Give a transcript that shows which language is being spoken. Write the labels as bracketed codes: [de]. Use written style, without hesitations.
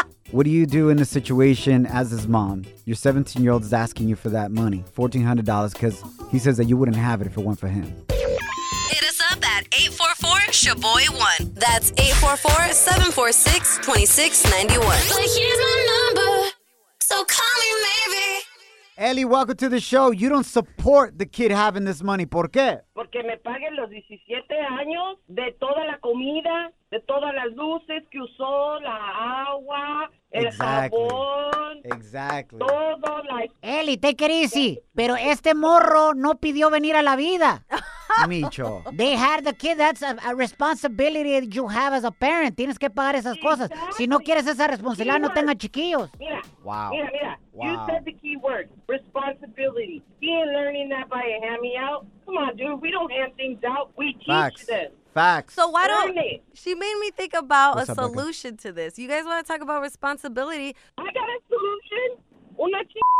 [en] What do you do in a situation as his mom? Your 17-year-old is asking you for that money, $1,400, because he says that you wouldn't have it if it weren't for him. Hit us up at 844-SHABOY1. That's 844-746-2691. But here's my number, so call me maybe. Ellie, welcome to the show. You don't support the kid having this money. [es] ¿Por qué? Porque me paguen los 17 años de toda la comida, de todas las luces que usó, la agua, jabón. [en] Exactly. [es] Todo, like... [en] Ellie, take it easy. [es] Pero este morro no pidió venir a la vida. Micho. [en] They had the kid. That's a responsibility that you have as a parent. [es] Tienes que pagar esas cosas. Si no quieres esa responsabilidad, no tengas chiquillos. Mira. [en] You said the key word, responsibility. He ain't learning that by a hand me out. Come on, dude. We don't hand things out. We teach them. Facts. So why don't... She made me think about a solution to this. You guys want to talk about responsibility? I got a solution. Una ch...